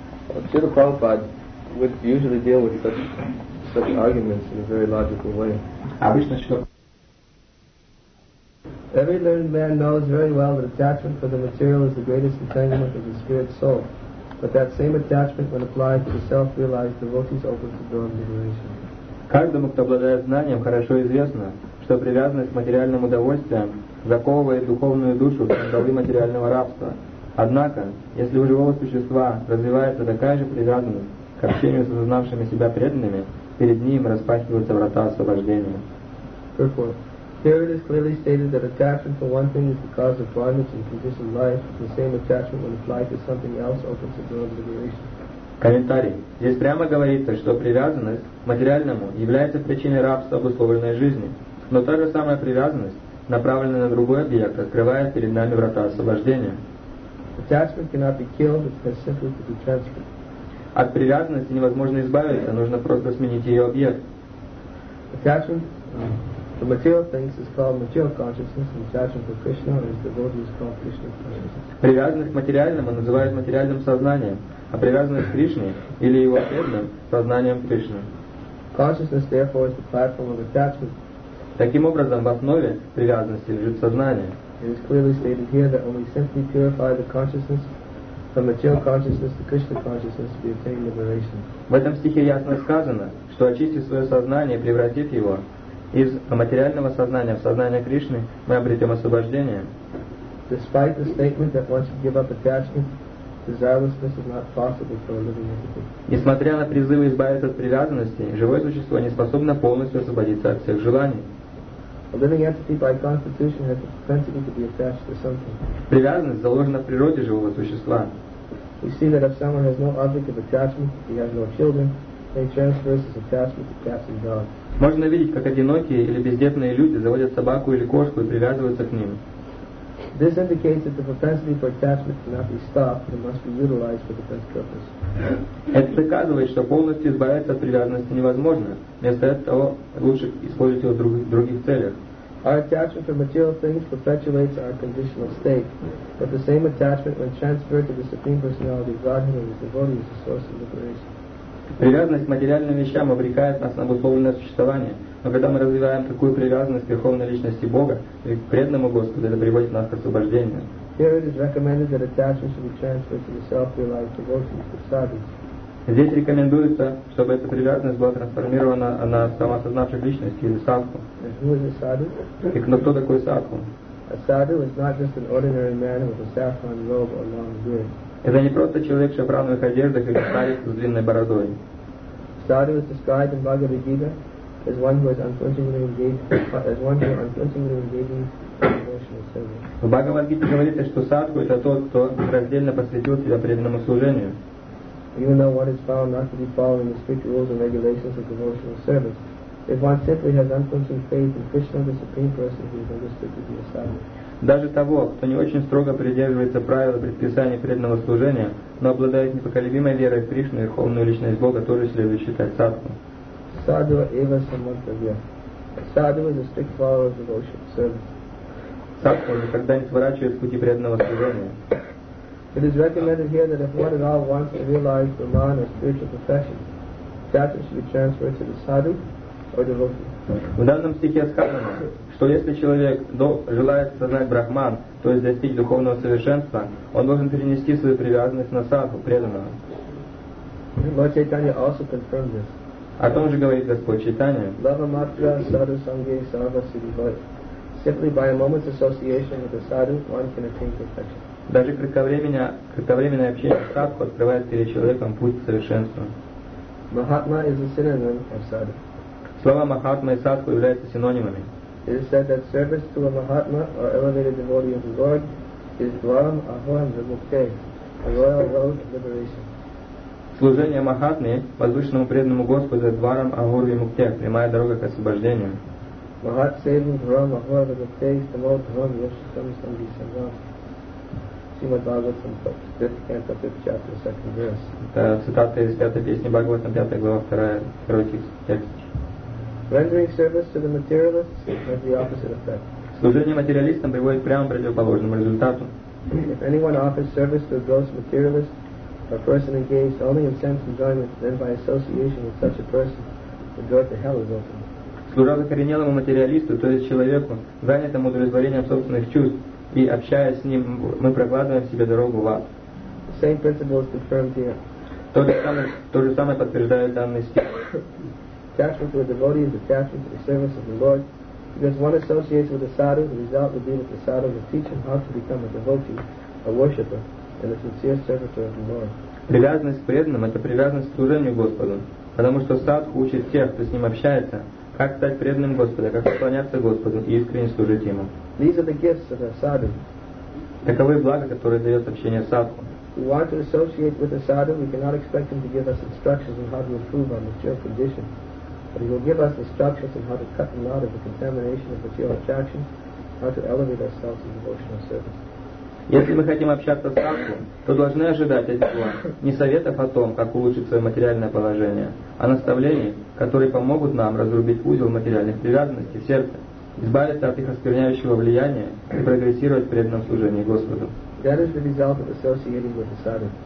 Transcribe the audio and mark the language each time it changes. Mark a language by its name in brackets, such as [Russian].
[English] Srila Prabhupada would usually deal with such arguments in a very logical way. Every learned man knows very well that attachment for the material is the greatest entanglement of the spirit soul, but that same attachment, when applied to the self-realized devotees, opens the door of liberation. [Russian] Каждому, кто обладает знанием, хорошо известно, что привязанность к материальным удовольствиям заковывает духовную душу в кандалы материального рабства. Однако, если у живого существа развивается такая же привязанность к общению с осознавшими себя преданными, перед ним распахиваются врата освобождения. [English] Therefore, here it is clearly stated that attachment for one thing is the cause of bondage and conditioned life, the same attachment when applied to something else opens the door of liberation. [Russian] Комментарий. Здесь прямо говорится, что привязанность к материальному является причиной рабства обусловленной жизни, но та же самая привязанность, направленная на другой объект, открывает перед нами врата освобождения. [English] Attachment cannot be killed, it has simply to be transferred. [Russian] От привязанности невозможно избавиться, нужно просто сменить ее объект. [English] Attachment to material things is called material consciousness, and attachment to Krishna or his devotee is called Krishna consciousness. [Russian] Привязанность к материальному называют материальным сознанием, а привязанность к Кришне или его преданным сознанием Кришны. [English] Consciousness therefore is the platform of attachment. [Russian] Таким образом, в основе привязанности лежит сознание. [English] It is clearly stated here that when we simply purify the consciousness from material consciousness to Krishna consciousness, we attain liberation. [Russian] В этом стихе ясно сказано, что очистив свое сознание, превратив его из материального сознания в сознание Кришны, мы обретем освобождение. [English] Despite the statement that one should give up attachment desirelessness is not possible for a living entity. [Russian] Несмотря на призывы избавиться от привязанности, живое существо не способно полностью освободиться от всех желаний. [English] A living entity by constitution has a propensity to be attached to something. [Russian] Привязанность заложена в природе живого существа. [English] We see that if someone has no object of attachment, if he has no children, they transfer his attachment to cats and dogs. [Russian] Можно видеть, как одинокие или бездетные люди заводят собаку или кошку и привязываются к ним. [English] This indicates that the propensity for attachment cannot be stopped and must be utilized for the best purpose. [Russian] Это доказывает, что полностью избавиться от привязанности невозможно. Вместо этого лучше использовать его в других целях. [English] Our attachment to material things perpetuates our conditional state, but the same attachment, when transferred to the Supreme Personality of Godhead and His devotees, is the source of liberation. [Russian] Привязанность к материальным вещам обрекает нас на обусловленное существование, но когда мы развиваем такую привязанность к Верховной Личности Бога и к преданному Господу, это приводит нас к освобождению. [English] Here it is recommended that attachment should be transferred to the self-realized devotees, the sadhus. [Russian] Здесь рекомендуется, чтобы эта привязанность была трансформирована на самоосознавших личности или садху. [English] And who is a sadhu? [Russian] И кто такой садху? [English] A sadhu is not just an ordinary man with a saffron robe or long beard. [Russian] Это не просто человек в шафрановых одеждах или старик с длинной бородой. [English] Sadhu is described in Bhagavad Gita as one who is unflinchingly engaging in devotional service. [Russian] В Бхагавад Гите говорится, что садху — это тот, кто раздельно посвятил себя преданному служению. [English] Even though one is found not to be following the strict rules and regulations of devotional service, if one simply has unflinching faith in Krishna, the Supreme Person, he is understood to be a sadhu. [Russian] Даже того, кто не очень строго придерживается правил и предписаний преданного служения, но обладает непоколебимой верой в Кришну и Верховную Личность Бога, тоже следует считать садху. [Sanskrit] Sadhu eva samantavya. [English] Sadhu is a strict follower of devotional service. [Russian] Садху никогда не сворачивает пути преданного служения. [English] It is recommended here that if one at all wants to realize Brahman or spiritual perfection, that it should be transferred to the sadhu or devotee. [Russian] В данном стихе сказано, что если человек желает сознать Брахман, то есть достичь духовного совершенства, он должен перенести свою привязанность на садху, преданного. [English] Lord Chaitanya also confirmed this. [Russian] О том же говорит Господь Чайтанья. [Bangla] Lava matra sadhu sangye sarva siddhi bhai. [English] Simply by a moment's association with the sadhu, one can attain perfection. [Russian] Даже кратковременное общение с садху открывает перед человеком путь к совершенству. [English] Mahatma is a synonym of sadhu. [Russian] Слова Махатма и садху являются синонимами. [English] It is said that service to a Mahatma or elevated devotee of the Lord is [Sanskrit] dwaram ahoram vimukte, [English] a royal road of liberation. [Russian] Служение Махатме, воздушному преданному Господу, [Sanskrit] дваром ахор вимукте, [Russian] прямая дорога к освобождению. [Sanskrit] Mahat sevam dwaram ahoram vimukte is the most dwaram yashasam sambhisangam. [English] Srimad Bhagavatam, 5th canto, 5th chapter, 2nd verse. [Russian] Это цитата из 5-й песни Бхагаватам, 5-я глава, 2-я, короткий текст. [English] Rendering service to the materialists has the opposite effect. [Russian] Служение материалистам приводит прямо к противоположному результату. [English] If anyone offers service to a gross materialist, a person engaged only in sense enjoyment, then by association with such a person, the door to hell is open. [Russian] Служа закоренелому материалисту, то есть человеку, занятому удовлетворением собственных чувств, и общаясь с ним, мы прокладываем себе дорогу в ад. [English] The same principle is confirmed here. [Russian] То же самое подтверждает данный стих. [English] Attachment to a devotee is attachment to the service of the Lord. Because one associates with a sadhu, the result will be that the sadhu will teach him how to become a devotee, a worshipper, and a sincere servitor of the Lord. [Russian] Привязанность к преданным — это привязанность к служению Господу, потому что садху учит тех, кто с ним общается, как стать преданным Господа, как поклоняться Господу и искренне служить Ему. [English] These are the gifts of a sadhu. [Russian] Таковы блага, которые дает общение садху. [English] We want to associate with a sadhu, we cannot expect him to give us instructions on how to improve our material condition. But he will give us instructions on how to cut the knot of the contamination of material attraction, how to elevate ourselves in devotional service. [Russian] Если мы хотим общаться с садху, то должны ожидать от него не советов о том, как улучшить свое материальное положение, а наставлений, которые помогут нам разрубить узел материальных привязанностей в сердце, избавиться от их оскверняющего влияния и прогрессировать в преданном служении Господу. [English] That is the result of associating with the sadhu.